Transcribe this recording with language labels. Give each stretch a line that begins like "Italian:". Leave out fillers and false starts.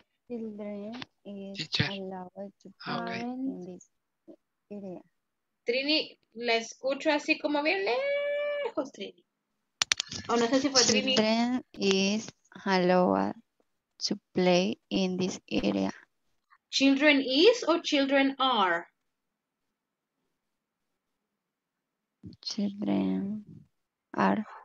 English: Children is allowed to play in this area.
Spanish: Trini, la escucho así como bien lejos, Trini. No sé si fue
English: Children is allowed to play in this area. Children is or children are? Children are.